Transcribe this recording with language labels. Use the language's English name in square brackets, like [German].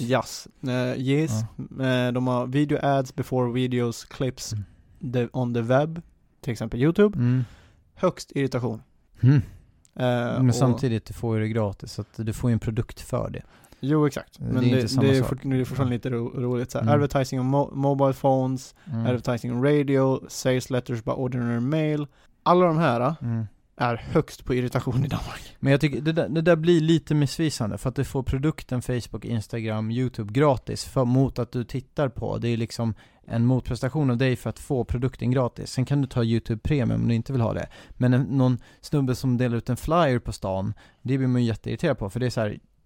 [English] Yes. Yes. Ja. [Swedish] De har [English] video ads before videos, clips on the web, [Swedish] till exempel [English] YouTube. Mm. [Swedish] Högst irritation. Mm. Men samtidigt, du får ju det gratis, så att du får ju en produkt för det. Jo, exakt. Men det är fortfarande lite roligt. Så här. Mm. [English] Advertising on mobile phones, advertising on radio, sales letters by ordinary mail. [Swedish] Alla de här är högst på irritation i Danmark. Men jag tycker det där blir lite missvisande, för att du får produkten Facebook, Instagram, YouTube gratis mot att du tittar på. Det är liksom en motprestation av dig för att få produkten gratis. Sen kan du ta YouTube Premium om du inte vill ha det. Men någon snubbe som delar ut en flyer på stan, det blir man ju jätteirriterad på, för det är så här.